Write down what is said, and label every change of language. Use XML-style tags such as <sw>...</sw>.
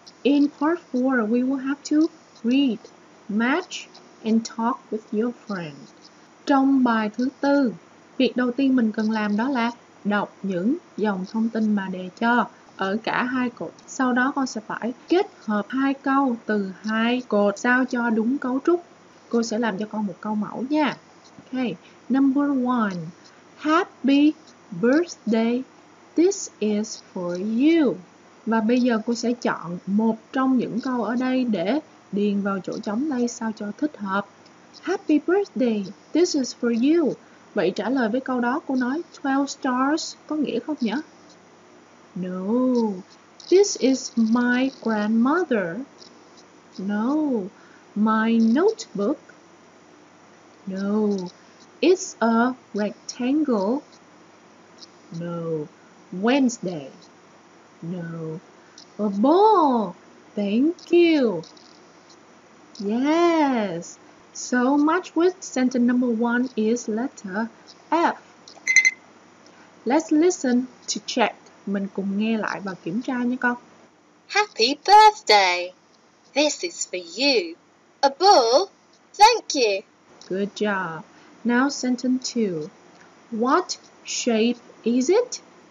<en>In part four, we will have to read, match, and talk with your friend.</en> <vi>Trong bài thứ tư, Việc đầu tiên mình cần làm đó là đọc những dòng thông tin mà đề cho ở cả hai cột. Sau đó con sẽ phải kết hợp hai câu từ hai cột sao cho đúng cấu trúc. Cô sẽ làm cho con một câu mẫu nha.</vi> <en>Okay, number one, happy birthday, this is for you.</en> <vi>Và bây giờ cô sẽ chọn một trong những câu ở đây để điền vào chỗ trống đây sao cho thích hợp.</vi> <en>Happy birthday, this is for you.</en> <vi>Vậy trả lời với câu đó cô nói 12 stars có nghĩa không nhỉ?</vi> <en>No, this is my grandmother. No, my notebook. No, it's a rectangle. No, Wednesday. No, a ball. Thank you. Yes, so much with sentence number one is letter F. Let's listen to check.</en> <vi>Mình cùng nghe lại và kiểm tra nha con.</vi> <en>Happy birthday. This is for you. A ball. Thank you. Good job. Now sentence 2. What shape is it?</en>